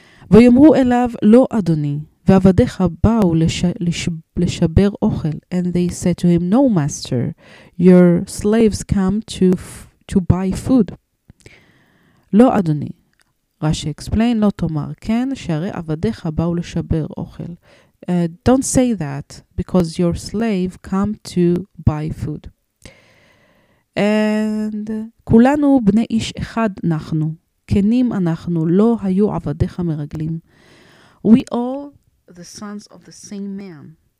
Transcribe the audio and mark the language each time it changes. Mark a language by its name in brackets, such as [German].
[Hebrew] ויאמרו אליו, לא אדוני, ועבדיך באו לשבר אוכל. [English] And they said to him, no master, your slaves come to buy food. [Hebrew] לא אדוני, רשי explain, לא תאמר כן, שהרי עבדיך באו לשבר אוכל. [English] Don't say that, because your slave come to buy food. [Hebrew] And כולנו בני איש אחד אנחנו, כנים אנחנו, לא היו עבדיך מרגלים. [English] We all the sons of the same man.